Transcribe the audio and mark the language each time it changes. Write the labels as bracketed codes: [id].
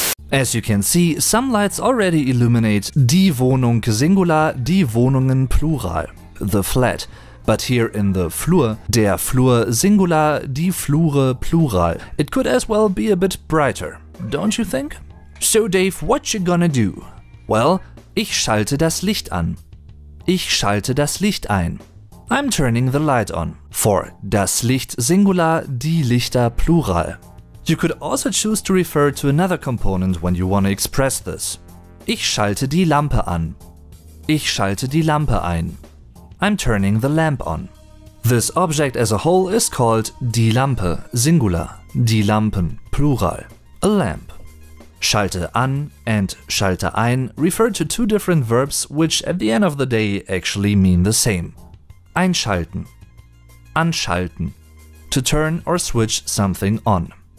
[en] As you can see, some lights already illuminate die Wohnung singular, die Wohnungen plural, the flat. But here in the Flur, der Flur singular, die Flure plural. It could as well be a bit brighter, don't you think? So Dave, what you gonna do? [de] Well, ich schalte das Licht an. Ich schalte das Licht ein. [en] I'm turning the light on. For das Licht singular, die Lichter plural. You could also choose to refer to another component when you want to express this. [de] Ich schalte die Lampe an. Ich schalte die Lampe ein. [en] I'm turning the lamp on. This object as a whole is called die Lampe, singular, die Lampen, plural, a lamp. Schalte an and schalte ein refer to two different verbs which at the end of the day actually mean the same. Einschalten, anschalten, to turn or switch something on.